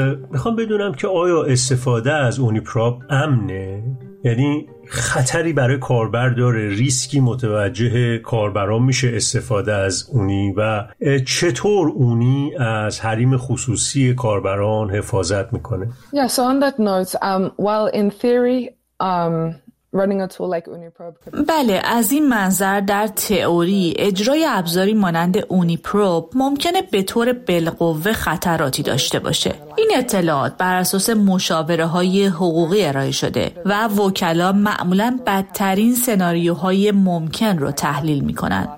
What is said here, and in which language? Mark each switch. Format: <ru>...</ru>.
<fa>میخوام بدونم که آیا استفاده از اونیپراب امنه؟ یعنی خطری برای کاربر داره؟ ریسکی متوجه کاربران میشه استفاده از اونی؟ و چطور اونی از حریم خصوصی کاربران حفاظت میکنه؟</fa> <en>Yeah, so on that note, well, in theory, running a tool like Uniprobe.</en> <fa>بله، از این منظر در تئوری اجرای ابزاری مانند اونیپروب ممکنه به طور بالقوه خطراتی داشته باشه. این اطلاعات بر اساس مشاوره های حقوقی ارائه شده و وکلا معمولا بدترین سناریوهای ممکن رو تحلیل می کنن.</fa>